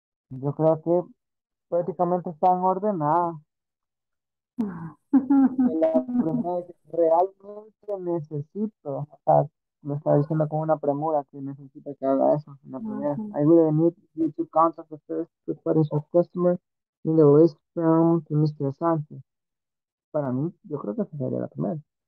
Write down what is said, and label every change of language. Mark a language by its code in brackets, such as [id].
[es] Uh-huh. Yo creo que prácticamente están ordenadas. La primera es que realmente necesito. Lo está diciendo con una premura que necesita que haga eso en la primera. Uh-huh. [en] I really need you to contact the first potential customer in the list from Mr. Sanchez. [es] Para mí, yo creo que sería la primera.